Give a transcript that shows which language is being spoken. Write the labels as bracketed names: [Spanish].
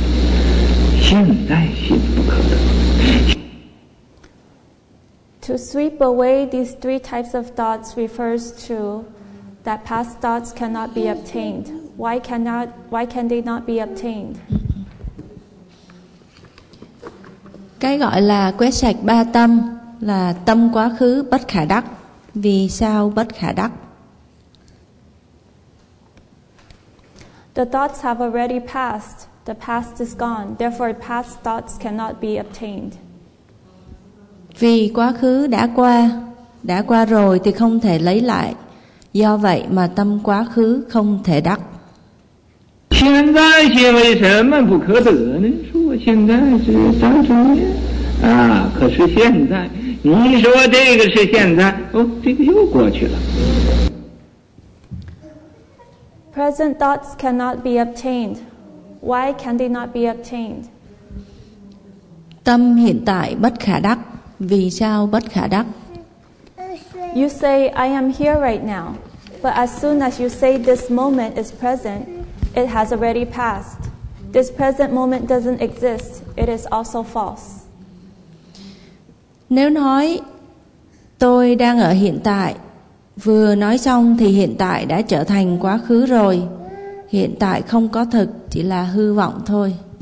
[Chinese] 过去性不可得。为什么不可得？已经过去了，过去就过去了，所以过去性不可得。现在性不可得。 [English] To sweep away these three types of thoughts refers to that past thoughts cannot be obtained. Why can they not be obtained? [Vietnamese] Cái gọi là quét sạch ba tâm là tâm quá khứ bất khả đắc. Vì sao bất khả đắc? [English] The thoughts have already passed. The past is gone. Therefore, past thoughts cannot be obtained. [Vietnamese] Vì quá khứ đã qua rồi thì không thể lấy lại. Do vậy mà tâm quá khứ không thể đắc. [English] Present thoughts cannot be obtained. Why can they not be obtained? [Vietnamese] Tâm hiện tại bất khả đắc. Vì sao bất khả đắc? [English] You say, I am here right now. But as soon as you say this moment is present, it has already passed. This present moment doesn't exist. It is also false. [Vietnamese] Nếu nói tôi đang ở hiện tại, vừa nói xong thì hiện tại đã trở thành quá khứ rồi. Hiện tại không có thực, chỉ là hư vọng thôi.